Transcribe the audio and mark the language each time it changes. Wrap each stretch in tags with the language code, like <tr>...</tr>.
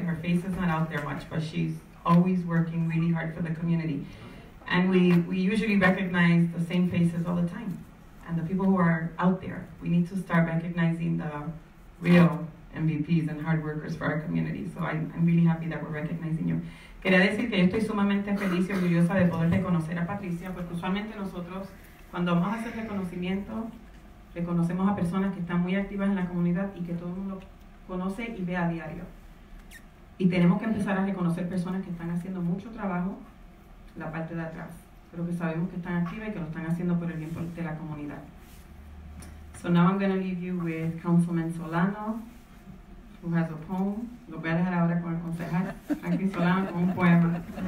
<en>Her face is not out there much, but she's always working really hard for the community. And we usually recognize the same faces all the time. And the people who are out there, we need to start recognizing the real MVPs and hard workers for our community. So I'm really happy that we're recognizing you.</en> <es>Quería decir que yo estoy sumamente feliz y orgullosa de poder reconocer a Patricia, porque usualmente nosotros, cuando vamos a hacer reconocimiento, reconocemos a personas que están muy activas en la comunidad y que todo el mundo conoce y ve a diario. Y tenemos que empezar a reconocer personas que están haciendo mucho trabajo en la parte de atrás, pero que sabemos que están activas y que lo están haciendo por el bien de la comunidad.</es> <en>So now I'm going to leave you with Councilman Solano, who has a poem.</en> <es>Lo voy a dejar ahora con el concejal, aquí Solano, con un poema.</es>